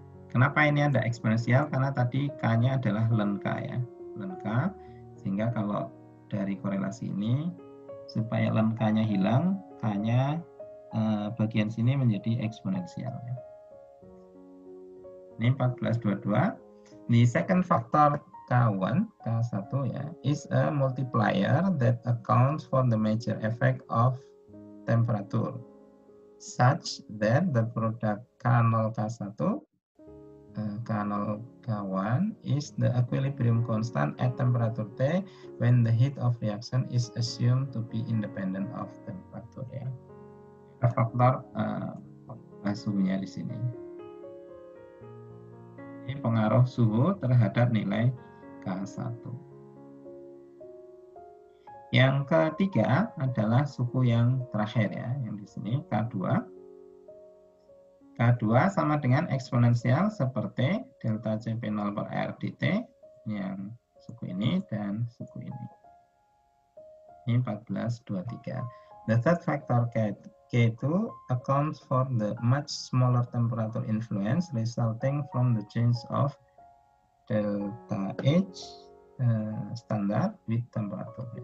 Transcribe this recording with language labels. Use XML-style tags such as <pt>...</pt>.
<id>Kenapa ini ada eksponensial? Karena tadi K-nya adalah lenka ya, lenka, sehingga kalau dari korelasi ini supaya lenkanya hilang, K-nya bagian sini menjadi eksponensial ya. Ini 14-22.</id> <en>The second factor K1, K1 ya, is a multiplier that accounts for the major effect of temperature, such that the product K0 K1 K0 K1 is the equilibrium constant at temperature T when the heat of reaction is assumed to be independent of temperature.</en> <id>Ya. Faktor suhunya di sini. Pengaruh suhu terhadap nilai K1. Yang ketiga adalah suku yang terakhir ya, yang di sini K2. K2 sama dengan eksponensial seperti delta Cp0 per R dt yang suku ini dan suku ini. Ini 14,23.</id> <en>The third factor K itu accounts for the much smaller temperature influence resulting from the change of delta H standar with temperature.</en>